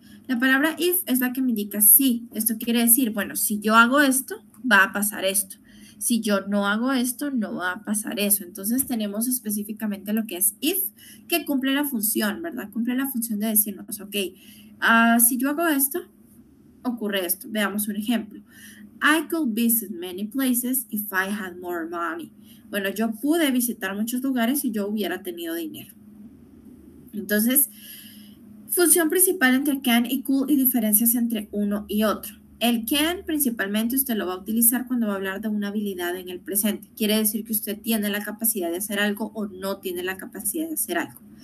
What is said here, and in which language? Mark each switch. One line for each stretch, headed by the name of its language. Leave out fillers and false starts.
Spanish: La palabra if es la que me indica si. Esto quiere decir, bueno, si yo hago esto, va a pasar esto. Si yo no hago esto, no va a pasar eso. Entonces, tenemos específicamente lo que es if, que cumple la función, ¿verdad? Cumple la función de decirnos, ok, si yo hago esto, ocurre esto. Veamos un ejemplo.
English: I could visit many places if I had more money.
Spanish: Bueno, yo pude visitar muchos lugares si yo hubiera tenido dinero. Entonces, función principal entre can y could y diferencias entre uno y otro. El can principalmente usted lo va a utilizar cuando va a hablar de una habilidad en el presente. Quiere decir que usted tiene la capacidad de hacer algo o no tiene la capacidad de hacer algo.